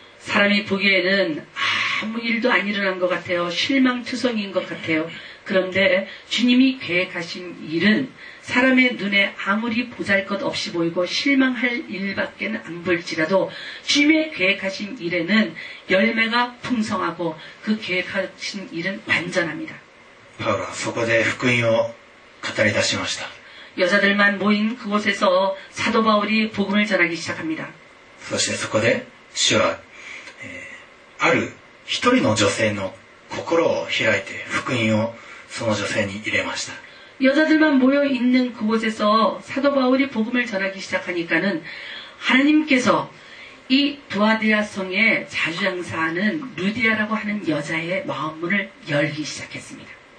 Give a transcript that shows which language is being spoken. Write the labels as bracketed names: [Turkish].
[Korean] 사람이보기에는아무일도안일어난것같아요실망투성인것같아요그런데주님이계획하신일은사람의눈에아무리보잘것없이보이고실망할일밖에는안볼지라도주님의계획하신일에는열매가풍성하고그계획하신일은완전합니다 [Japanese] パウロはそこで福音を語り出しました [Korean] 여자들만모인그곳에서사도바울이복음을전하기시작합니다 [Japanese] そしてそこで主はある一人の女性の心を開いて福音をその女性に入れました [Korean] 여자들만모여있는그곳에서사도바울이복음을전하기시작하니까는하나님께서이두아디아성에자주장사하는루디아라고하는여자의마음문을열기시작했습니다